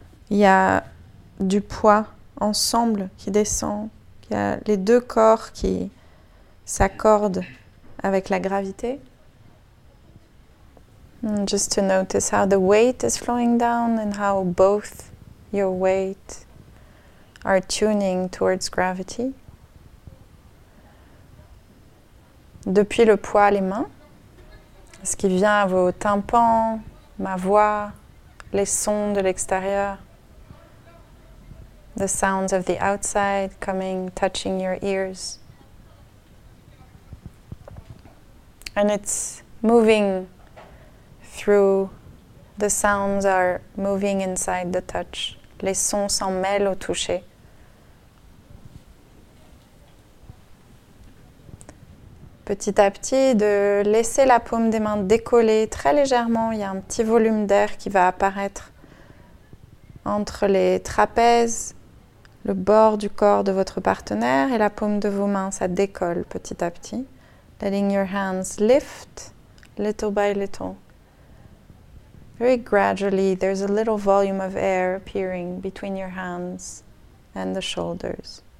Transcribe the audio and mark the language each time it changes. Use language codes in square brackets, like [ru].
[fr] Il y a du poids ensemble qui descend. Il y a les deux corps qui s'accordent avec la gravité. [en] Just to notice how the weight is flowing down and how both your weight are tuning towards gravity. [fr] Depuis le poids, les mains, ce qui vient à vos tympans, ma voix, les sons de l'extérieur, [en] the sounds of the outside coming, touching your ears. And it's moving through, the sounds are moving inside the touch. [fr] Les sons s'en mêlent au toucher. Petit à petit, de laisser la paume des mains décoller très légèrement. Il y a un petit volume d'air qui va apparaître entre les trapèzes, le bord du corps de votre partenaire et la paume de vos mains, ça décolle petit à petit. [en] Letting your hands lift little by little. Very gradually, there's a little volume of air appearing between your hands and the shoulders.